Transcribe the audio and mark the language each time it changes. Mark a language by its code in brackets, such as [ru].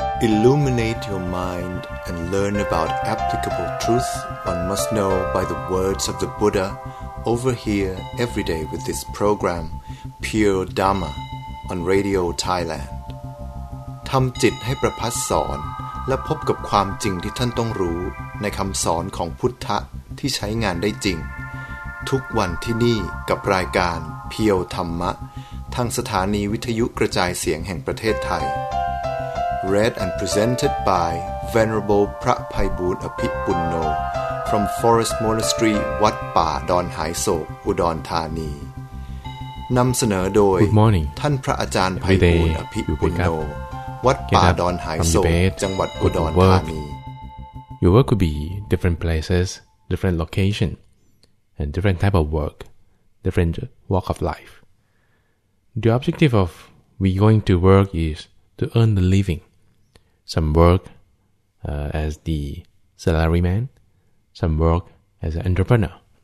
[en] Illuminate your mind and learn about applicable truth one must know by the words of the Buddha over here every day with this program, Pure Dharma, on Radio Thailand. [th] ทำจิตให้ประพัสสอนและพบกับความจริงที่ท่านต้องรู้ในคำสอนของพุทธะที่ใช้งานได้จริงทุกวันที่นี่กับรายการเพียวธรรมะทางสถานีวิทยุกระจายเสียงแห่งประเทศไทย [en] Read and presented by Venerable [th] พระไพบูลย์อภิปุณโญ [en] from Forest Monastery [th] วัดป่าดอนหายโศกอุดรธานีนำเสนอโดย [en] Good morning. [th] ท่านพระอาจารย์ไพบูลย์อภิปุณโญวัดป่าดอนหายโศกจังหวัดอุดรธานี [en] Your work could be different places, different locationAnd different type of work, different walk of life. The objective of we going to work is to earn the living. Some work as the salaryman, some work as an entrepreneur.